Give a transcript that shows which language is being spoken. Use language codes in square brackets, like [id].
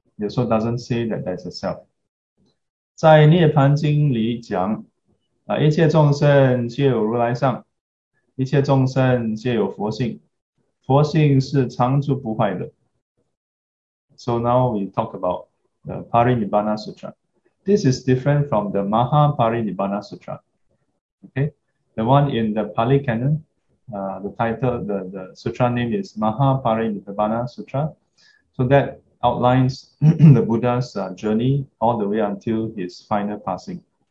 [en] It also doesn't say that there's a self. [zh] 在涅槃经里讲，一切众生皆有如来相，一切众生皆有佛性，佛性是常住不坏的。 [en] So now we talk about the Parinibbana Sutra. This is different from the Maha Parinibbana Sutra. Okay, the one in the Pali Canon, the title, the sutra name is Maha Parinibbana Sutra. So that outlines the Buddha's journey all the way until his final passing.